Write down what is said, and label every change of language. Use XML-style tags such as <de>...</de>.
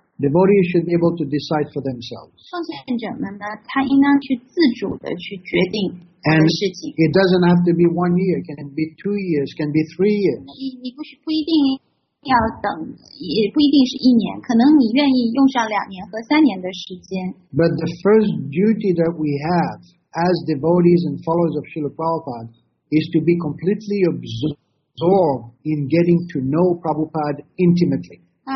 <en>Devotees should be able to decide for themselves.</en> <zh>奉献者们呢，他应当去自主的去决定这个事情。</zh> <en>And it doesn't have to be 1 year, it can be 2 years, it can be 3 years.</en> <zh>你不一定要等，也不一定是一年, 可能你愿意用上2年和3年的时间。</zh> <en>But the first duty that we have as devotees and followers of Srila Prabhupada is to be completely absorbed in getting to know Prabhupada intimately.</en>